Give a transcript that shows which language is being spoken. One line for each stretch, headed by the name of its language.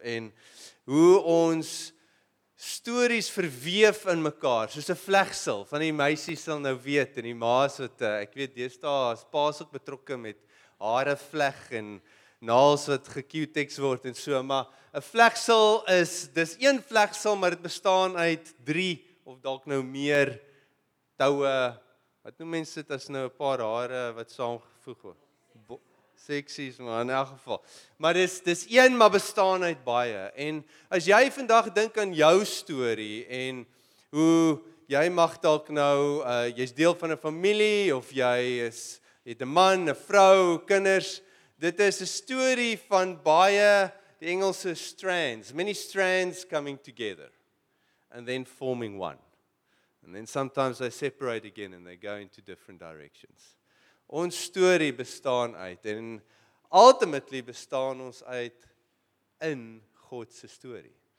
Afrikaans: En hoe ons stories verweef in mekaar, soos 'n vlegsel, van die meisies sal nou weet, en die maas wat, ek weet, deesdae is paas ook betrokke met hare vleg en naals wat gecutex word en so, maar 'n vlegsel is, dis 1 vlegsel, maar het bestaan uit 3, of dalk nou meer touwe, wat noem mense dit as nou 'n paar hare wat saamgevoeg word? Seksies, maar in elk geval. Maar dis 1, maar bestaan uit baie. En as jy vandag dink aan jou story, en hoe jy mag dalk nou, jy is deel van 'n familie, of jy is, het 'n man, 'n vrou, kinders, dit is 'n story van baie, die Engelse strands, many strands coming together, and then forming one.
English: And then sometimes they separate again and they go into different directions.
Afrikaans: Ons story bestaan uit, en ultimately bestaan ons uit in Godse story.